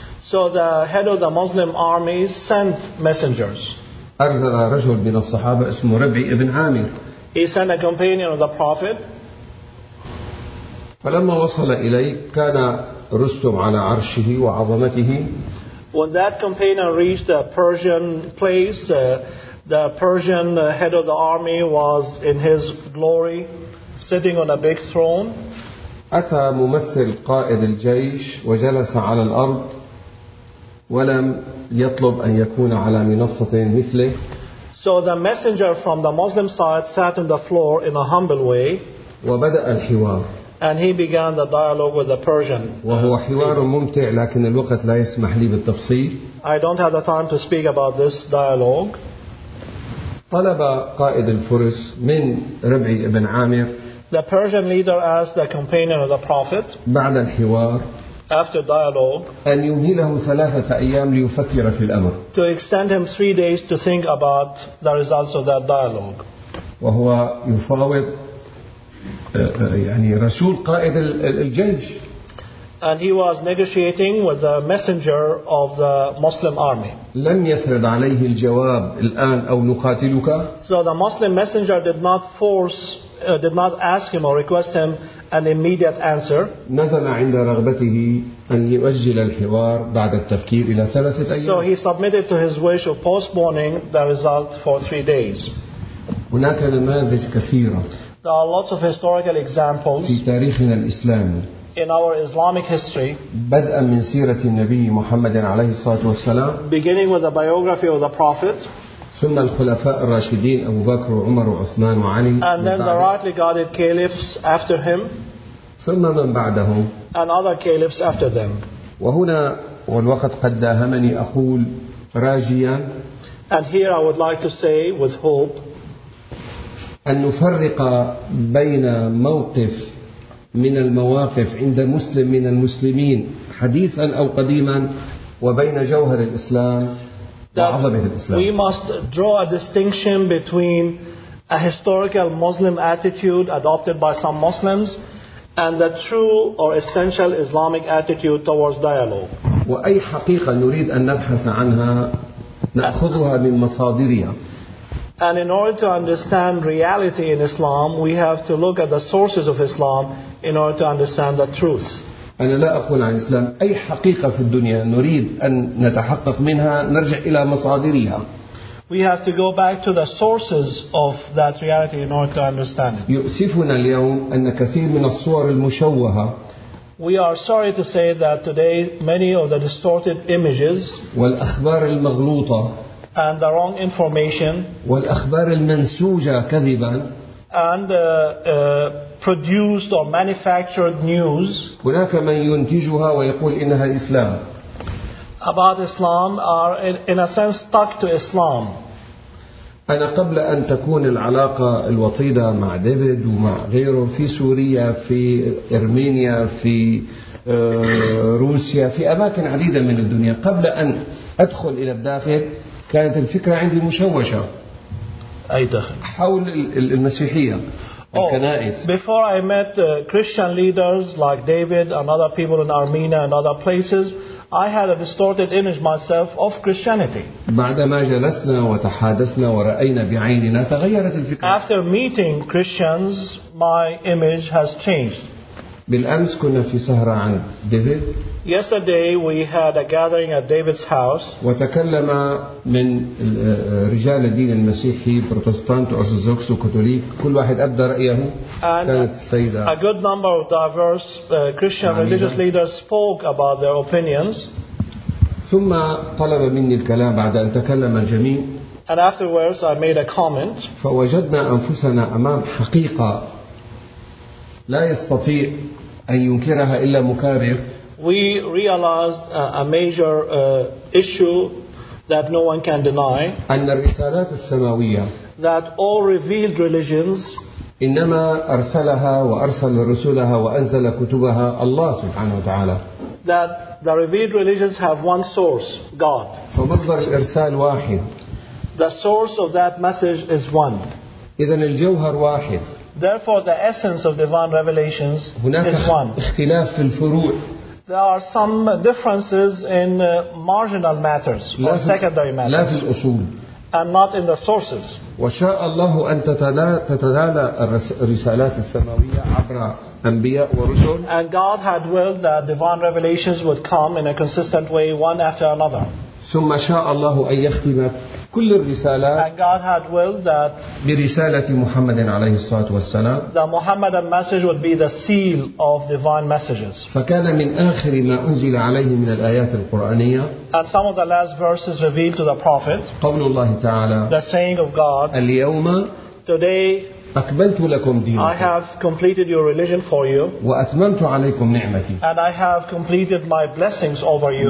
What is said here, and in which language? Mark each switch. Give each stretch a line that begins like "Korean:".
English: So the head of the Muslim army sent messengers.
Arabic: أرسل رجل من الصحابة اسمه ربيع بن عامر.
English: He sent a companion of the Prophet.
Arabic: فلما وصل إليه كان رستم على عرشه وعظمته.
English: When that companion reached a Persian place, the Persian head of the army was in his glory, sitting on a big throne.
Arabic: أتى ممثل قائد الجيش وجلس على الأرض ولم يطلب أن يكون على منصة مثله.
English: So the messenger from the Muslim side sat on the floor in a humble way.
Arabic: وبدأ الحوار.
English: And he began the dialogue with the Persian.
Arabic: وهو حوار ممتع لكن الوقت لا يسمح لي بالتفصيل.
English: I don't have the time to speak about this dialogue.
Arabic: طلب قائد الفرس من ربيع بن عامر.
English: The Persian leader asked the companion of the Prophet.
Arabic: بعد الحوار.
English: After dialogue.
Arabic: أن يمهله ثلاثة أيام ليفكر في الأمر.
English: To extend him 3 days to think about the results of that dialogue.
Arabic: وهو يفاوض. يعني رسول قائد الجيش.
English: And he was negotiating with the messenger of the Muslim army.
Arabic: لم يثرد عليه الجواب الآن أو نقاتلك.
English: So the Muslim messenger did not ask him or request him an immediate answer.
Arabic: نزل عند رغبته أن يؤجل الحوار بعد التفكير إلى ثلاثة أيام.
English: So he submitted to his wish of postponing the result for 3 days.
Arabic: هناك نماذج كثيرة.
English: There are lots of historical examples
Arabic: في تاريخنا الإسلامي.
English: In our Islamic history.
Arabic: بدءا من سيرة النبي محمد عليه الصلاة والسلام.
English: Beginning with the biography of the Prophet.
Arabic: ثم الخلفاء الراشدين أبو بكر وعمر وعثمان وعلي.
English: And then the rightly guided caliphs after him.
Arabic: ثم من بعدهم.
English: And other caliphs after them.
Arabic: وهنا والوقت قد داهمني أقول راجيا.
English: And here I would like to say with hope.
Arabic: أن نفرق بين موقف من المواقف عند مسلم من المسلمين حديثا أو قديما وبين جوهر الإسلام وعظمة الإسلام.
English: We must draw a distinction between a historical Muslim attitude adopted by some Muslims and the true or essential Islamic attitude towards dialogue.
Arabic: وأي حقيقة نريد أن نبحث عنها نأخذها من مصادرها.
English: And in order to understand reality in Islam, we have to look at the sources of Islam in order to understand the truth.
Arabic: أنا لا أقول عن الإسلام أي حقيقة في الدنيا نريد أن نتحقق منها نرجع إلى مصادرها.
English: We have to go back to the sources of that reality in order to understand it.
Arabic: يؤسفنا اليوم أن كثير من الصور المشوهة.
English: We are sorry to say that today many of the distorted images.
Arabic: والأخبار المغلوطة.
English: And the wrong information.
Arabic: والأخبار المنسوجة كذبا.
English: And produced or manufactured news.
Arabic: هناك من ينتجها ويقول إنها إسلام.
English: About Islam are in a sense stuck to Islam.
Arabic: أنا قبل أن تكون العلاقة الوطيدة مع ديفيد ومع غيره في سوريا في أرمينيا في روسيا في أماكن عديدة من الدنيا قبل أن أدخل إلى الداخل. كانت الفكرة عندي مشوشة. أي دخل؟ حول المسيحية. الكنائس.
English: Before I met Christian leaders like David and other people in Armenia and other places, I had a distorted image myself of Christianity.
Arabic: بعدما جلسنا وتحادثنا ورأينا بعيننا تغيرت الفكرة.
English: After meeting Christians, my image has changed.
Arabic: بالأمس كنا في سهرة عن ديفيد.
English: Yesterday we had a gathering at David's house.
Arabic: وتكلم من رجال الدين المسيحي بروتستانت أرثوذكس وكاثوليك كل واحد أبدى رأيه. كانت السيدة.
English: A good number of diverse Christian religious leaders spoke about their opinions.
Arabic: ثم طلب مني الكلام بعد أن تكلم الجميع.
English: And afterwards I made a comment.
Arabic: فوجدنا أنفسنا أمام حقيقة لا يستطيع أن ينكرها إلا مكابر.
English: We realized a major issue that no one can deny.
Arabic: أن الرسالات السماوية.
English: That all revealed religions.
Arabic: إنما أرسلها وأرسل رسلها وأنزل كتبها الله سبحانه وتعالى.
English: that the revealed religions have one source, God.
Arabic: فمصدر الإرسال واحد.
English: The source of that message is one.
Arabic: إذن الجوهر واحد.
English: Therefore, the essence of divine revelations is one.
Arabic: اختلاف في الفروع.
English: There are some differences in marginal matters or secondary matters.
Arabic: لا في الأصول.
English: And not in the sources.
Arabic: وشاء الله أن تتلالى الرسالات السماوية عبر أنبياء ورسل.
English: And God had willed that divine revelations would come in a consistent way, one after another.
Arabic: ثم شاء الله أن يختم كل الرسالات.
English: And God had willed that
Arabic: برسالة محمد عليه الصلاة والسلام.
English: The Muhammadan message would be the seal of divine messages.
Arabic: فكان من آخر ما أنزل عليه من الآيات القرآنية.
English: And some of the last verses revealed to the prophet.
Arabic: قول الله تعالى.
English: The saying of God.
Arabic: اليوم.
English: Today.
Arabic: أكملت لكم دينكم.
English: I have completed your religion for you.
Arabic: وأتممت عليكم نعمتي.
English: And I have completed my blessings over you.